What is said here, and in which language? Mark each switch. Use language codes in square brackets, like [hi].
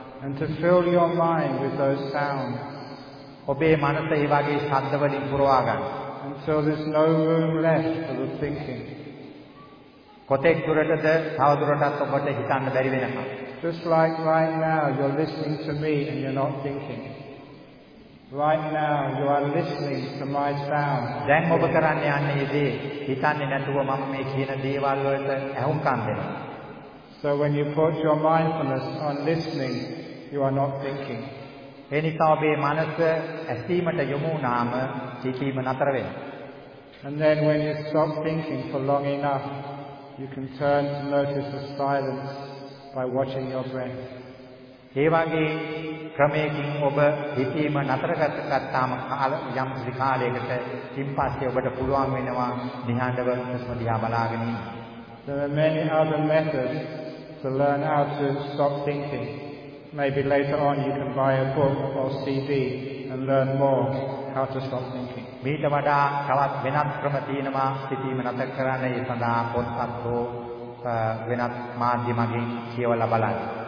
[en] And to fill your mind with those sounds. [si] ඔබේ මනස ඒ වගේ ශබ්ද වලින් පුරවා ගන්න. [en] And so there's no room left for the thinking. [si] කොතෙක් දුරටද තව දුරටත් ඔබට හිතන්න බැරි වෙනවා. [en] Just like right now you're listening to me and you're not thinking. Right now you are listening to my sound. [si] දැන් ඔබ කරන්න යන්නේ ඉදී හිතන්නේ නැතුව මම මේ කියන දේවල් වලට ඇහුම්කන් දෙනවා. [en] So when you put your mindfulness on listening, you are not thinking. [si] එනිසා ඔබේ මනස ඇසීමට යොමු වුණාම සිතීම නතර වෙනවා. [en] And then when you stop thinking for long enough, you can turn to notice the silence by watching your breath. [si] ඒ වගේ ක්‍රමයකින් ඔබ සිතීම නතර කරගත්තාම කාල යම් කාලයකට ඉන්පස්සේ ඔබට පුළුවන් වෙනවා නිහඬව සදියා බලාගෙන ඉන්න. [en] There are many other methods to learn how to stop thinking. Maybe later on you can buy a book or CD and learn more how to stop thinking. [si] මේට වඩා තවත් වෙනත් ක්‍රම තියෙනවා සිතීම නතර කරන්න. ඒ සඳහා පොත්පත් හෝ වෙනත් මාධ්‍ය මගින් කියවලා බලන්න.